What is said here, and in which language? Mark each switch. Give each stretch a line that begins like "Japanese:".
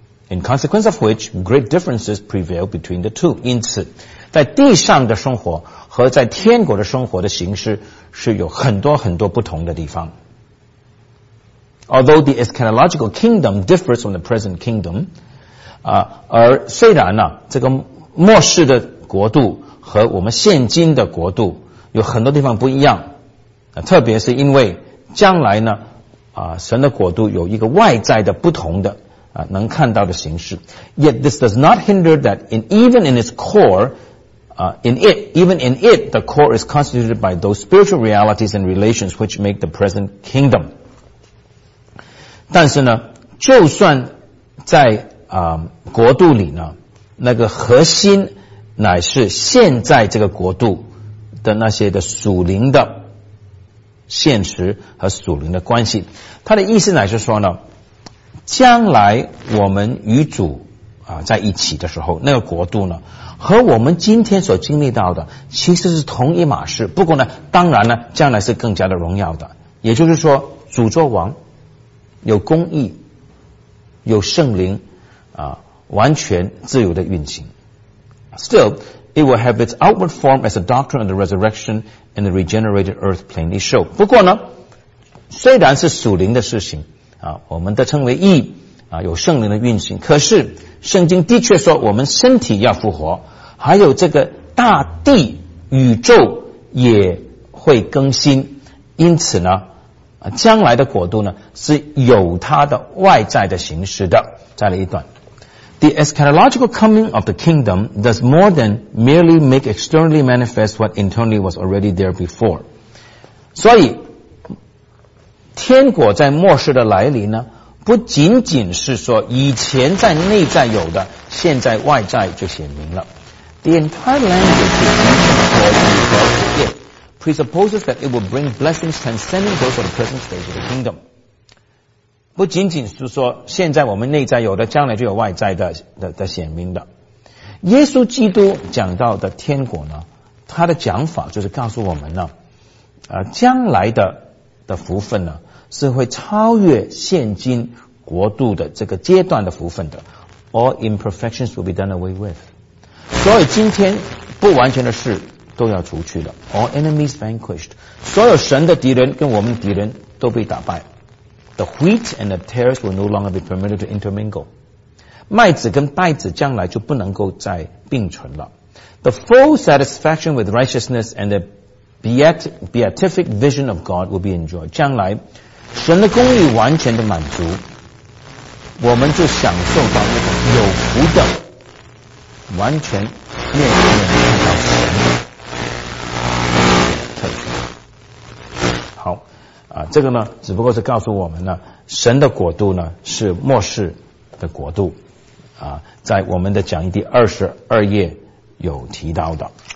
English: In consequence of which, great differences prevail between the two.
Chinese: 因此，在地上的生活和在天国的生活的形式是有很多很多不同的地方。
English: Although the eschatological kingdom differs from the present kingdom,
Chinese: 而虽然呢，这个末世的国度和我们现今的国度有很多地方不一样，特别是因为将来呢，神的国度有一个外在的不同的能看到的形式。
English: Yet this does not hinder that even in it, the core is constituted by those spiritual realities and relations which make the present kingdom.
Chinese: 但是呢，就算在国度里呢，那个核心乃是现在这个国度的那些的属灵的现实和属灵的关系。他的意思乃是说呢，将来我们与主在一起的时候，那个国度呢和我们今天所经历到的其实是同一码事，不过呢当然呢将来是更加的荣耀的。也就是说，主作王，有公义，有圣灵完全自由的运行。
English: Still, it will have its outward form as a doctrine of the resurrection and the regenerated earth plainly show.
Chinese: 不过呢，虽然是属灵的事情我们都称为义有圣灵的运行，可是圣经的确说我们身体要复活，还有这个大地宇宙也会更新。因此呢，将来的国度呢是有它的外在的形式的。再来一段。
English: The eschatological coming of the kingdom does more than merely make externally manifest what internally was already there before.
Chinese: 所以天国在末世的来临呢，不仅仅是说以前在内在有的，现在外在就显明了。
English: The entire language of the kingdom presupposes that it will bring blessings transcending those of the present stage of the kingdom.
Chinese: 不仅仅是说现在我们内在有的，将来就有外在的显明的。耶稣基督讲到的天国呢，他的讲法就是告诉我们呢，将来的福分呢是会超越现今国度的这个阶段的福分的。
English: All imperfections will be done away with.
Chinese: 所有今天不完全的事都要除去了。
English: All enemies vanquished.
Chinese: 所有神的敌人跟我们敌人都被打败。
English: The wheat and the tares will no longer be permitted to intermingle.
Chinese: 麦子跟稗子将来就不能够再并存了。
English: The full satisfaction with righteousness and the beatific vision of God will be enjoyed.
Chinese: 将来神的公义完全的满足，我们就享受到那种有福的完全面对面看到神的特权。好这个呢只不过是告诉我们呢，神的国度呢是末世的国度在我们的讲义第22页有提到的。